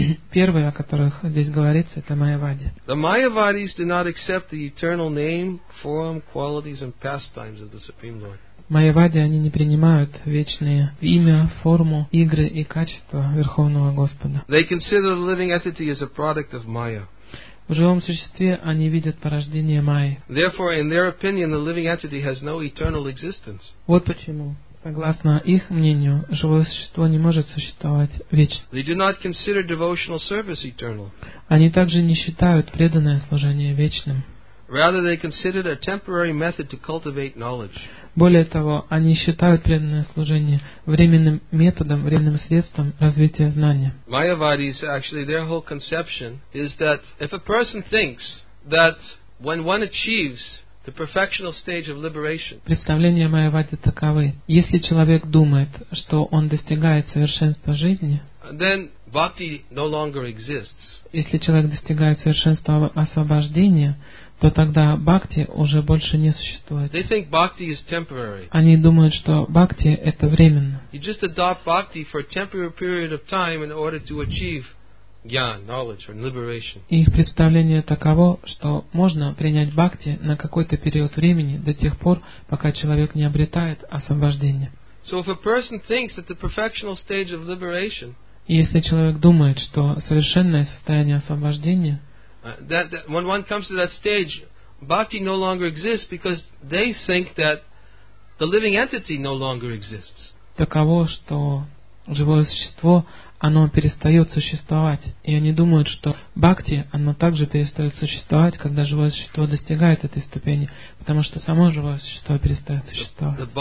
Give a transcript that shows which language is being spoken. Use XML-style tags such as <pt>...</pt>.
<ru>Первое, о которых здесь говорится, это майявади.</ru> <en>The mayavadis do not accept the eternal name, form, qualities and pastimes of the Supreme Lord.</en> <ru>Майявади, они не принимают вечные имя, форму, игры и качества Верховного Господа.</ru> <en>They consider the living entity as a product of Maya.</en> <ru>В живом существе они видят порождение Майи.</ru> <en>Therefore, in their opinion, the living entity has no eternal existence.</en> <ru>Вот почему, согласно их мнению, живое существо не может существовать вечно.</ru> <en>They do not consider devotional service eternal.</en> <ru>Они также не считают преданное служение вечным.</ru> <en>Rather, they considered a temporary method to cultivate knowledge.</en> <ru>Более того, они считают преданное служение временным методом, временным средством развития знания.</ru> <en>Mayavadis, actually, their whole conception is that if a person thinks that when one achieves the perfectional stage of liberation.</en> <ru>Представления майявади таковы. Если человек думает, что он достигает совершенства жизни,</ru> <en>then bhakti no longer exists.</en> <ru>Если человек достигает совершенства освобождения, то тогда бхакти уже больше не существует.</ru> <en>They think bhakti is temporary.</en> <ru>Они думают, что бхакти это временно.</ru> <en>You just adopt bhakti for a temporary period of time in order to achieve</en> <ru>Их представление таково, что можно принять бхакти на какой-то период времени до тех пор, пока человек не обретает освобождение. И если человек думает, что совершенное состояние освобождения,</ru> <en>when one comes to that stage, bhakti no longer exists because they think that the living entity no longer exists.</en> <ru>Таково, что живое существо, оно перестает существовать. И они думают, что бхакти, оно также перестает существовать, когда живое существо достигает этой ступени, потому что само живое существо перестает существовать.</ru>